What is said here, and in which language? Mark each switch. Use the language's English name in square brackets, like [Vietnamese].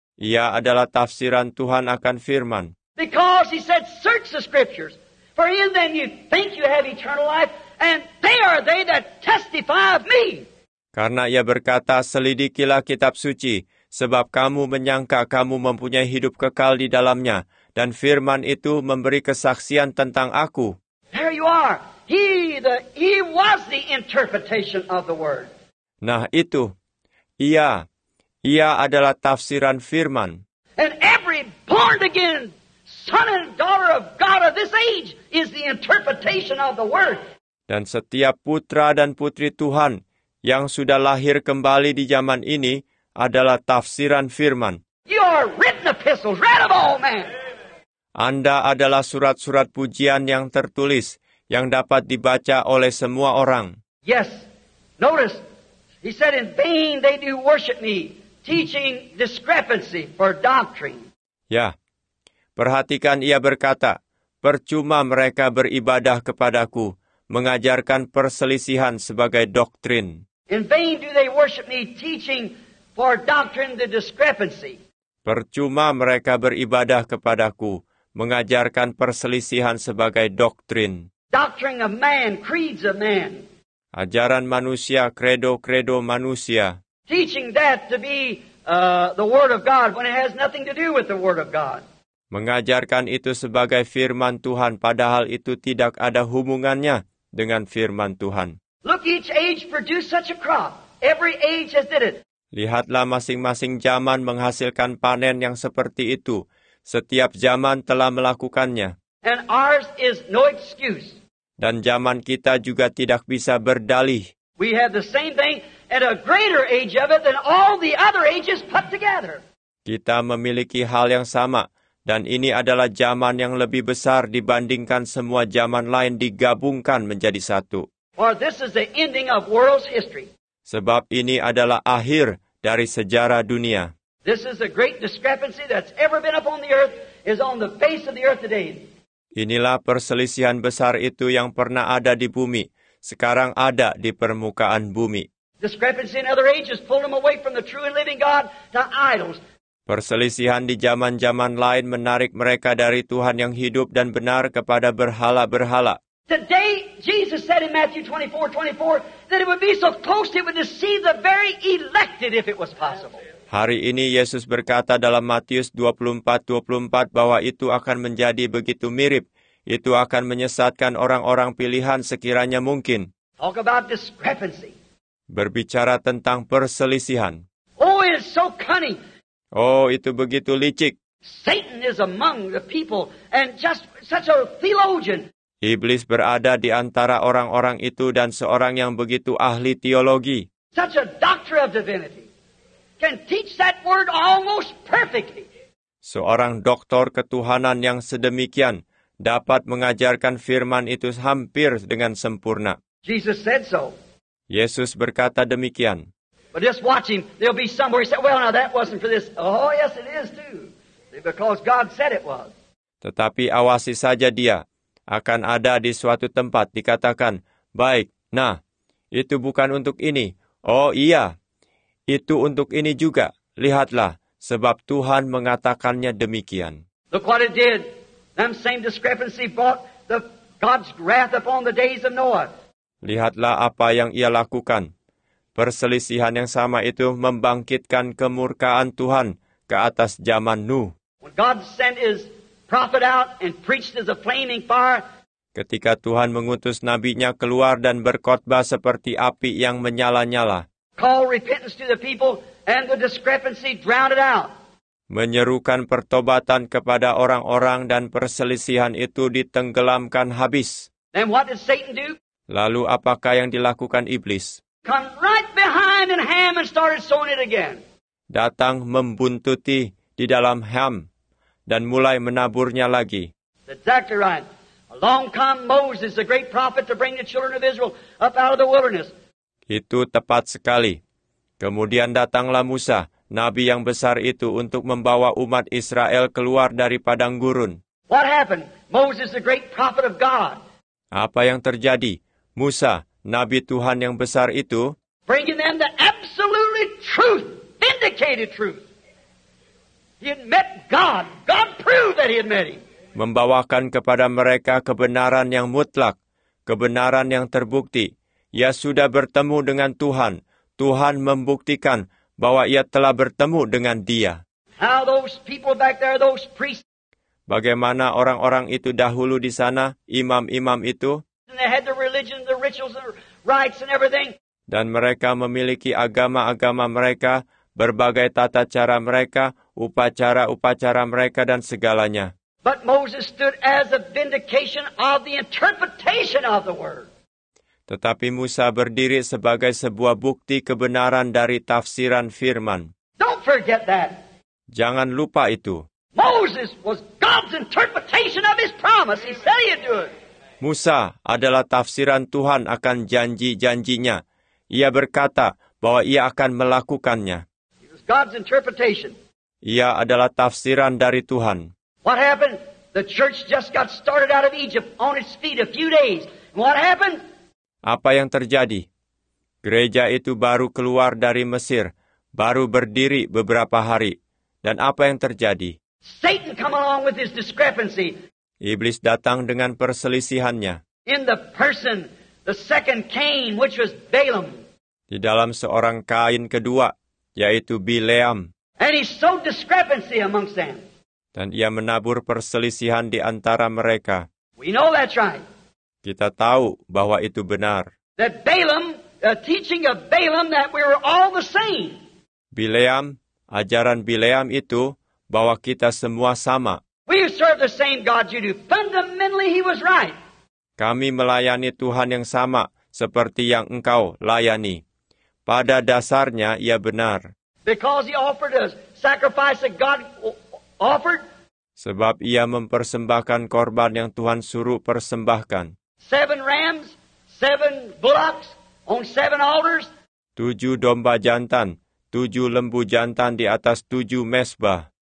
[Indonesian] Ia adalah tafsiran Tuhan akan firman. [English] Because he said, "Search the scriptures, for in them you think you have eternal life, and they are they that testify of me." [Indonesian] Karena ia berkata, "Selidikilah kitab suci, sebab kamu menyangka kamu mempunyai hidup kekal di dalamnya, dan firman itu memberi kesaksian tentang aku." [English] There you are. He was the interpretation of the word. [Indonesian] Nah, itu. Ia adalah tafsiran firman. [English] And every born again son and daughter of God of this age is the interpretation of the word. [Indonesian] Dan setiap putra dan putri Tuhan yang sudah lahir kembali di zaman ini adalah tafsiran firman. [English] You are written epistles, read of all men. [Indonesian] Anda adalah surat-surat pujian yang tertulis, yang dapat dibaca oleh semua orang. [English] Yes, notice, he said, "In vain they do worship me, teaching discrepancy for doctrine." [Indonesian] Ya, perhatikan ia berkata, "Percuma mereka beribadah kepadaku, mengajarkan perselisihan sebagai doktrin." [English] In vain do they worship me, teaching for doctrine the discrepancy. [Indonesian] Percuma mereka beribadah kepadaku, mengajarkan perselisihan sebagai doktrin. [English] Doctrine of man, creeds of man. [Indonesian] Ajaran manusia, credo-credo manusia. [English] Teaching that to be the word of God when it has nothing to do with the word of God. [Indonesian] Mengajarkan itu sebagai firman Tuhan padahal itu tidak ada hubungannya dengan firman Tuhan. [English] Look, each age produced such a crop. Every age has did it. [Indonesian] Lihatlah masing-masing zaman menghasilkan panen yang seperti itu. Setiap zaman telah melakukannya. [English] And ours is no excuse. [Indonesian] Dan zaman kita juga tidak bisa berdalih. [English] We have the same thing at a greater age of it than all the other ages put together. [Indonesian] Kita memiliki hal yang sama, dan ini adalah zaman yang lebih besar dibandingkan semua zaman lain digabungkan menjadi satu. [English] For this is the ending of world's history. [Indonesian] Sebab ini adalah akhir dari sejarah dunia. [English] This is the great discrepancy that's ever been upon the earth is on the face of the earth today. [Indonesian] Inilah perselisihan besar itu yang pernah ada di bumi, sekarang ada di permukaan bumi. [English] Discrepancy in other ages pulled them away from the true and living God to idols. [Indonesian] Perselisihan di zaman-zaman lain menarik mereka dari Tuhan yang hidup dan benar kepada berhala-berhala. [English] Today Jesus said in Matthew 24:24 that it would be so close it would deceive the very elected if it was possible. [Indonesian] Hari ini Yesus berkata dalam Matius 24:24 bahwa itu akan menjadi begitu mirip. Itu akan menyesatkan orang-orang pilihan sekiranya mungkin. [English] Talk about discrepancy. [Indonesian] Berbicara tentang perselisihan. [English] Oh, it's so cunning. [Indonesian] Oh, itu begitu licik. [English] Satan is among the people and just such a theologian. [Indonesian] Iblis berada di antara orang-orang itu dan seorang yang begitu ahli teologi. [English] Such a doctor of divinity. Can teach that word almost perfectly. [Indonesian] Seorang doktor ketuhanan yang sedemikian dapat mengajarkan firman itu hampir dengan sempurna. [English] Jesus said so. [Indonesian] Yesus berkata demikian. [English] But just watch him. There'll be somewhere he said, "Well, now that wasn't for this." Oh, yes, it is too, because God said it was. [Indonesian] Tetapi awasi saja dia. Akan ada di suatu tempat dikatakan, "Baik, nah, itu bukan untuk ini." Oh, iya. Itu untuk ini juga. Lihatlah, sebab Tuhan mengatakannya demikian. [English] Look what it did. That same discrepancy brought the God's wrath upon the days of Noah. [Indonesian] Lihatlah apa yang ia lakukan. Perselisihan yang sama itu membangkitkan kemurkaan Tuhan ke atas zaman Nuh. [English] When God sent his prophet out and preached as a flaming fire. [Indonesian] Ketika Tuhan mengutus nabinya keluar dan berkhotbah seperti api yang menyala-nyala. [English] Call repentance to the people and the discrepancy drowned it out. [Indonesian] Menyerukan pertobatan kepada orang-orang dan perselisihan itu ditenggelamkan habis. [English] Then what did Satan do? [Indonesian] Lalu apakah yang dilakukan iblis? [English] Come right behind in Ham and started sowing it again. [Indonesian] Datang membuntuti di dalam Ham dan mulai menaburnya lagi. [English] Exactly right. Along come Moses, the great prophet, to bring the children of Israel up out of the wilderness. [Indonesian] Itu tepat sekali. Kemudian datanglah Musa, nabi yang besar itu, untuk membawa umat Israel keluar dari padang gurun. [English] What happened? Moses, the great prophet of God. [Indonesian] Apa yang terjadi? Musa, nabi Tuhan yang besar itu, [English] bringing them the absolutely truth, vindicated truth. He had met God. God proved that he had met him. [Indonesian] Membawakan kepada mereka kebenaran yang mutlak, kebenaran yang terbukti. Ia sudah bertemu dengan Tuhan. Tuhan membuktikan bahwa ia telah bertemu dengan dia. [English] How those people back there, those priests, [Indonesian] bagaimana orang-orang itu dahulu di sana, imam-imam itu? [English] And they had the religion, the rituals, the rites and everything. [Indonesian] Dan mereka memiliki agama-agama mereka, berbagai tata cara mereka, upacara-upacara mereka dan segalanya. [English] But Moses stood as a vindication of the interpretation of the word. [Indonesian] Tetapi Musa berdiri sebagai sebuah bukti kebenaran dari tafsiran firman. [English] Don't forget that. [Indonesian] Jangan lupa itu. [English] Moses was God's interpretation of his promise. He said he'd do it. [Indonesian] Musa adalah tafsiran Tuhan akan janji-janjinya. Ia berkata bahwa ia akan melakukannya. [English] It was God's interpretation. [Indonesian] Ia adalah tafsiran dari Tuhan. [English] What happened? The church just got started out of Egypt on its feet a few days. What happened? [Indonesian] Apa yang terjadi? Gereja itu baru keluar dari Mesir, baru berdiri beberapa hari. Dan apa yang terjadi? [English] Satan come along with his discrepancy. [Indonesian] Iblis datang dengan perselisihannya. [English] In the person, the second Cain, which was Balaam. [Indonesian] Di dalam seorang Kain kedua, yaitu Bileam. [English] And he sowed discrepancy amongst them. [Indonesian] Dan ia menabur perselisihan di antara mereka. [English] We know that's right. [Indonesian] Kita tahu bahwa itu benar. [English] That Balaam, the teaching of Balaam that we were all the same. [Indonesian] Bileam, ajaran Bileam itu bahwa kita semua sama. [English] We serve the same God you do. Fundamentally, he was right. [Indonesian] Kami melayani Tuhan yang sama seperti yang engkau layani. Pada dasarnya ia benar. [English] Because he offered a sacrifice that God offered. [Indonesian] Sebab ia mempersembahkan korban yang Tuhan suruh persembahkan. [English] 7 rams, 7 bullocks on 7 altars. [Indonesian] 7 domba jantan, 7 lembu jantan di atas 7 mesbah.